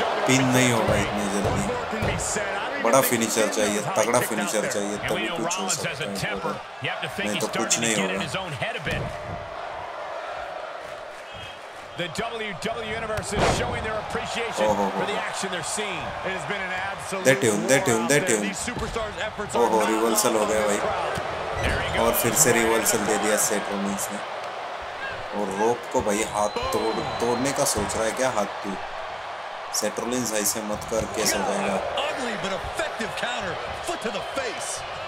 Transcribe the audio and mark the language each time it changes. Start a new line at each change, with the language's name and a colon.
Hindi: Pin नहीं होगा इतनी जल्दी, बड़ा फिनिशर चाहिए, तगड़ा फिनिशर चाहिए, तभी कुछ हो सकता है, नहीं तो कुछ नहीं होगा।
English: The WWE Universe is showing their appreciation for the action they're seeing. It has been an absolute superstars.
Hindi: Oh, reversal हो गया भाई, और फिर से reversal दे दिया Seth Rollins ने। और रोप को भाई हाथ तोड़ने का सोच रहा है क्या हाथ की? Seth Rollins ऐसे मत कर, कैसे हो जाएगा?
English: Ugly but effective counter, foot to the face.